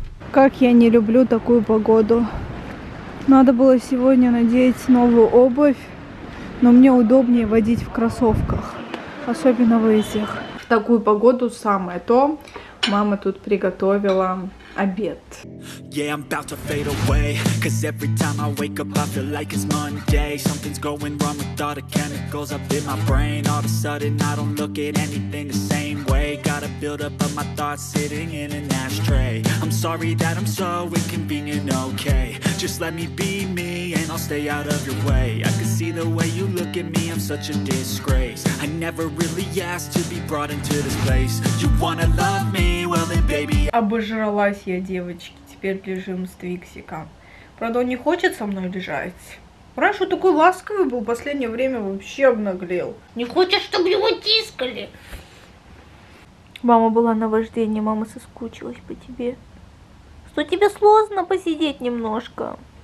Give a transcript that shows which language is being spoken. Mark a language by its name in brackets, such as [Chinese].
[Russian] Как я не люблю такую погоду. Надо было сегодня надеть новую обувь, но мне удобнее водить в кроссовках, особенно в этих. В такую погоду самое то. Мама тут приготовила обед. [English] Yeah, I'm about to fade away. Cause every time I wake up, I feel like it's Monday. Something's going wrong with all the chemicals up in my brain. All of a sudden, I don't look at anything the same way. Gotta build up of my thoughts sitting in an ashtray. I'm sorry that I'm so inconvenient, okay. Just let me be me and I'll stay out of your way. I can see the way you look at me, I'm such a disgrace. I never really asked to be brought into this place. You wanna love me, well then baby. [Russian] Обожралась я, девочки. Теперь лежим с Твиксиком. Правда, он не хочет со мной лежать. Раньше он такой ласковый был, в последнее время вообще обнаглел. Не хочет, чтобы его тискали. Мама была на вождении, мама соскучилась по тебе. Что тебе сложно посидеть немножко?